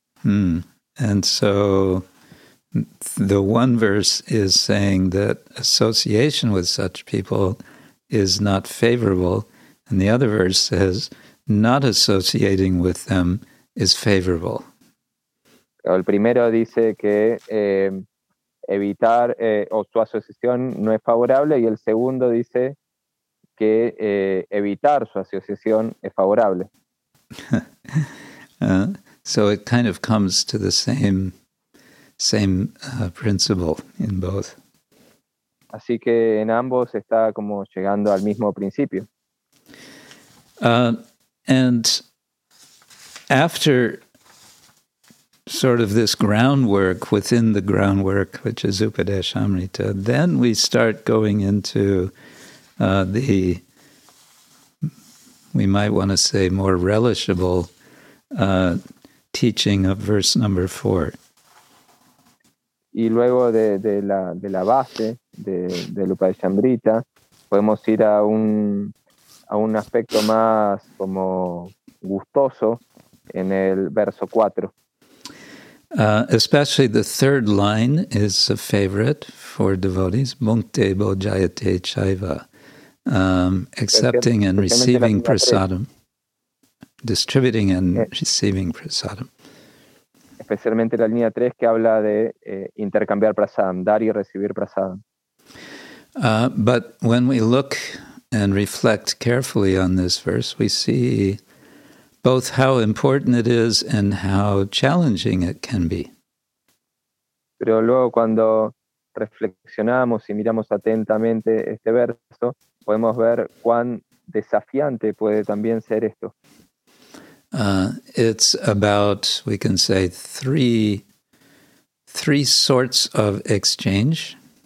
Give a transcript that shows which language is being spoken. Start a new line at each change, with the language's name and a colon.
English: Mm. And so the one verse is saying that association with such people is not favorable. And the other verse says, not associating with them is favorable.
Spanish: El primero dice que evitar o su asociación no es favorable, y el segundo dice que evitar su asociación es favorable.
English: So it kind of comes to the same principle in both.
Spanish: Así que en ambos está como llegando al mismo principio.
English: And after sort of this groundwork, within the groundwork, which is Upadeshamrita, then we start going into we might want to say, more relishable teaching of verse number 4.
Spanish: Y luego de la base de Upadeshamrita, podemos ir a un aspecto más como gustoso en el verso 4. Especially the third line is a favorite for devotees.
Sanskrit: Bhunkte bhojayate chaiva.
English: Accepting and receiving prasadam. Distributing and receiving prasadam.
Spanish: Especialmente la línea 3 que habla de intercambiar prasadam, dar y recibir prasadam.
English: But when we look and reflect carefully on this verse, we see both how important it is and how challenging it can be.
Spanish: Pero luego cuando reflexionamos y miramos atentamente este verso, podemos ver cuán desafiante puede también ser esto.
English: It's about, we can say, three sorts of exchange.